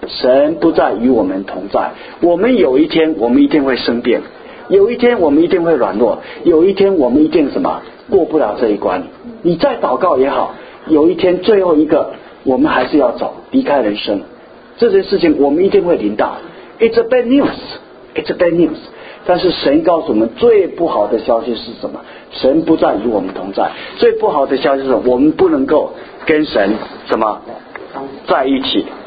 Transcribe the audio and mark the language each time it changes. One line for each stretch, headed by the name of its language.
Chinese: 神不再与我们同在。我们有一天我们一定会生病，有一天我们一定会软弱，有一天我们一定什么过不了这一关。你再祷告也好，有一天最后一个我们还是要走离开人生，这些事情我们一定会临到。
English: It's a bad news, it's a bad news。
Chinese: 但是神告诉我们最不好的消息是什么？神不再与我们同在。最不好的消息是我们不能够跟神什么在一起。